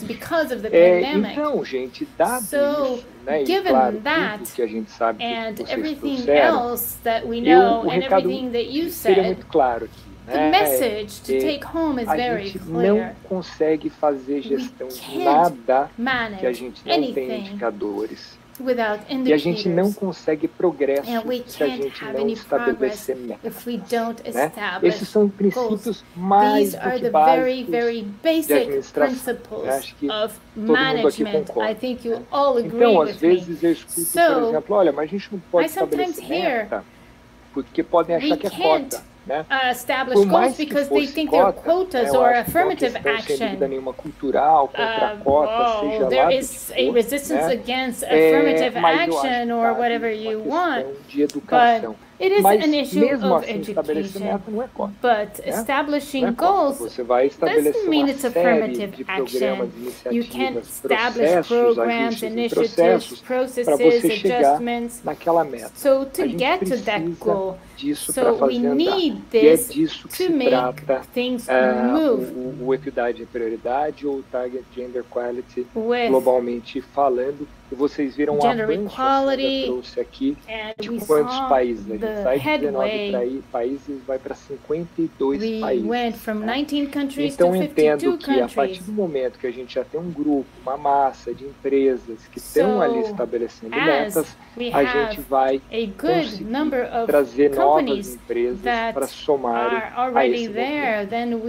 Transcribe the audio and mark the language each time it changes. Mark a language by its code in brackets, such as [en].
[pt] Então, gente, dado isso, né, e claro, tudo que a gente sabe que vocês trouxeram, o recado seria muito claro aqui. [en] The message to take home is very clear. [pt] A gente não consegue fazer gestão de nada que a gente não tem indicadores. E a gente não consegue progresso se a gente não estabelecer metas. Né? Esses são princípios mais do que básicos de administração. Eu acho que todo mundo aqui concorda. Então, às vezes, eu escuto, por exemplo, olha, mas a gente não pode estabelecer meta porque podem achar que é cota. [en] Establish goals because they think they're quotas or affirmative action. There is a resistance against affirmative action or whatever you want. But it is an issue of education. But establishing goals doesn't mean it's affirmative action. You can't establish programs, initiatives, processes, adjustments. So to get to that goal, so we need this to make things move. [pt] O equidade e prioridade ou [en] target gender equality, [pt] globalmente falando. E vocês viram o avanço que eu trouxe aqui de quantos países. A gente sai de 19 países, vai para 52 países. Então, entendo que a partir do momento que a gente já tem um grupo, uma massa de empresas que estão ali estabelecendo metas, a gente vai conseguir trazer novas empresas para somarem a esse movimento.